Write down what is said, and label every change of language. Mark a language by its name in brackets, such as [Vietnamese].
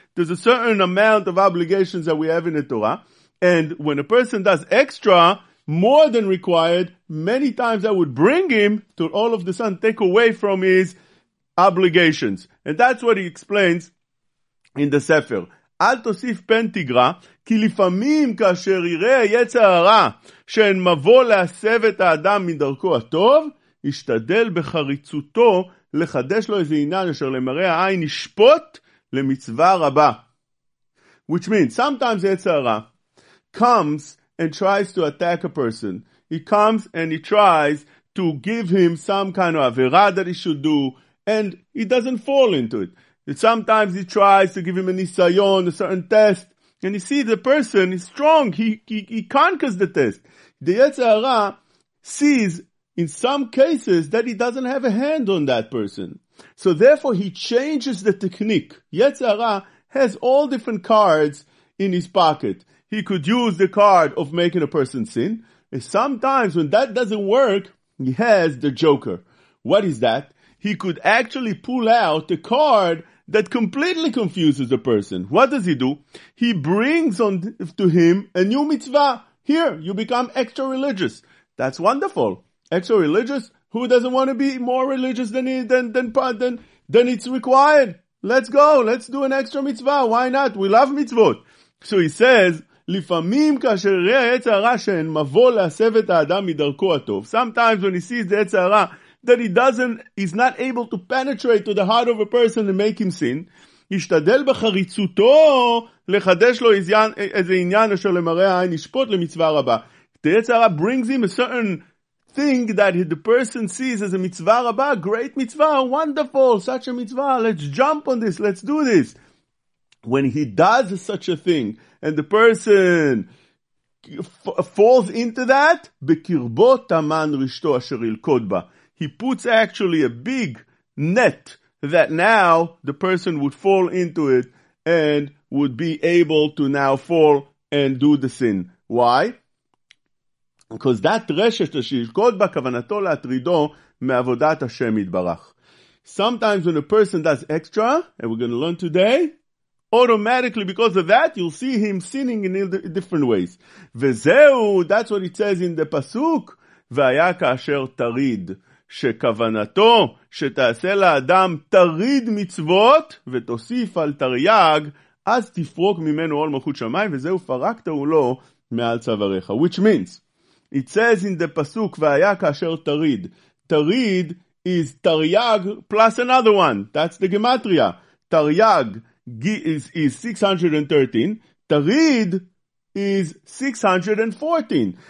[English] There's a certain amount of obligations that we have in the Torah. And when a person does extra, more than required, many times that would bring him to all of the sun, take away from his obligations. And that's what he explains in the Sefer. [Hebrew] אל תוסיף פן תגרה, כי לפעמים כאשר יראה היצר הרע, שאין מבוא להסב את האדם מדרכו הטוב, ישתדל בחריצותו לחדש לו איזה עניין אשר למראה העין ישפוט למצווה רבה. [English] Which means, sometimes Yetzara comes and tries to attack a person. He comes and he tries to give him some kind of avera that he should do, and he doesn't fall into it. that sometimes he tries to give him a nisayon, a certain test, and you see the person is strong, he conquers the test. The Yetzer Hara sees in some cases that he doesn't have a hand on that person. So therefore he changes the technique. Yetzer Hara has all different cards in his pocket. He could use the card of making a person sin. And sometimes when that doesn't work, he has the joker. What is that? He could actually pull out the card that completely confuses the person. What does he do? He brings on to him a new mitzvah. Here, you become extra religious. That's wonderful. Extra religious? Who doesn't want to be more religious than it's required? Let's go. Let's do an extra mitzvah. Why not? We love mitzvot. So he says, [Hebrew] לפעמים כאשר ראה עץ הרע שאין מבוא להסב את האדם מדרכו הטוב. [English] Sometimes when he sees the עץ הרע, that he's not able to penetrate to the heart of a person and make him sin, [Hebrew] ישתדל בחריצותו לחדש לו איזה עניין אשר למראה העין ישפוט למצווה רבה. [English] The עץ הרע brings him a certain thing that the person sees as a mitzvah rabah, great mitzvah, wonderful, such a mitzvah, let's jump on this, let's do this. When he does such a thing, and the person falls into that, [Hebrew] בקרבו תמן רשתו אשר ילכוד בה. [English] He puts actually a big net that now the person would fall into it and would be able to now fall and do the sin. Why? Because that reshet [Hebrew] אשר ילכוד בה כוונתו להטרידו מעבודת השם יתברך. [English] Sometimes when a person does extra, and we're going to learn today, automatically, because of that, you'll see him sinning in different ways. [Hebrew] וזהו, [English] that's what it says in the pasuk, [Hebrew] והיה כאשר תריד, שכוונתו שתעשה לאדם תריד מצוות, ותוסיף על תרייג, אז תפרוק ממנו עול מלכות שמיים, וזהו פרקת עולו מעל צוואריך. [English] Which means, it says in the pasuk, [Hebrew] והיה כאשר תריד. [English] תריד is תרייג plus another one. That's the gematria. תרייג. Is 613. Tarid is 614.